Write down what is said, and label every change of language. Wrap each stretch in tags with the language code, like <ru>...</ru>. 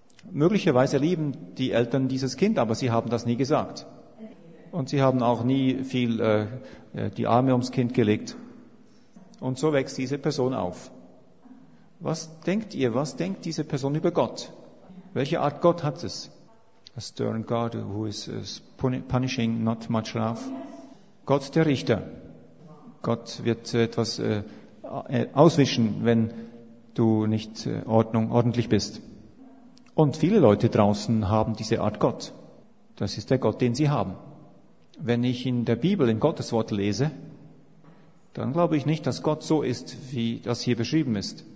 <de>Möglicherweise lieben die Eltern dieses Kind, aber sie haben das nie gesagt. Und sie haben auch nie viel die Arme ums Kind gelegt. Und so wächst diese Person auf. Was denkt ihr, was denkt diese Person über Gott? Welche Art Gott hat es?</de> <en>A stern God who is punishing, not much love.</en> <de>Gott der Richter. Gott wird etwas auswischen, wenn du nicht ordentlich bist. Und viele Leute draußen haben diese Art Gott. Das ist der Gott, den sie haben. Wenn ich in der Bibel, in Gottes Wort lese, dann glaube ich nicht, dass Gott so ist, wie das hier beschrieben ist.</de>